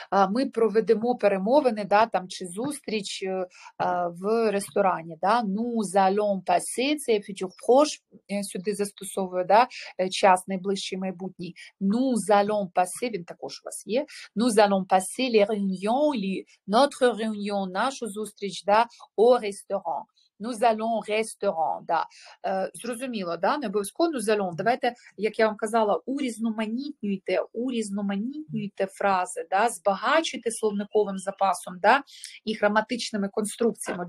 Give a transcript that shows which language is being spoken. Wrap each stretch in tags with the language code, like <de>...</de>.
<uk>Ми проведемо перемовини, да, там, чи зустріч в ресторані. Да?</uk> <fr>«Nous allons passer»,</fr> <uk>це я «futur proche», сюди застосовую, да? Час найближчий, майбутній.</uk> <fr>«Nous allons passer»,</fr> <uk>він також у вас є.</uk> <fr>«Nous allons passer les réunions, notre réunion»,</fr> <uk>нашу зустріч, да,</uk> <fr>«au restaurant». «Nous allons au restaurant»,</fr> <uk>да. Зрозуміло, да? Не обов'язково</uk> <fr>«nous allons».</fr> <uk>Давайте, як я вам казала, урізноманітнюйте фрази, да? Збагачуйте словниковим запасом, да? І граматичними конструкціями.</uk>